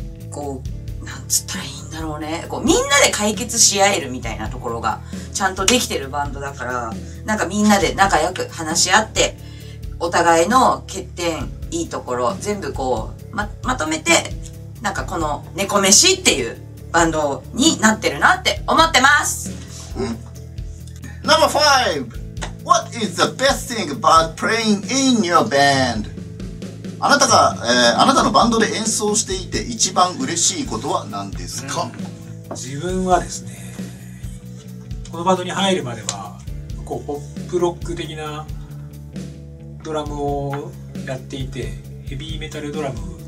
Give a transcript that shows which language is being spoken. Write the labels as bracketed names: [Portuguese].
[Japanese] こうなんつったらいいんだろうね、こうみんなで解決し合えるみたいなところがちゃんとできてるバンドだから、なんかみんなで仲良く話し合ってお互いの欠点いいところ全部こう まとめて、なんかこの猫飯っていうバンドになってるなって思ってます。 [English] Number 5. What is the best thing about playing in your band? [Japanese] あなたが、あなたのバンドで演奏していて一番嬉しいことは何ですか？自分はですね、このバンドに入るまではこうポップロック的なドラムをやっていて、ヘビーメタルドラム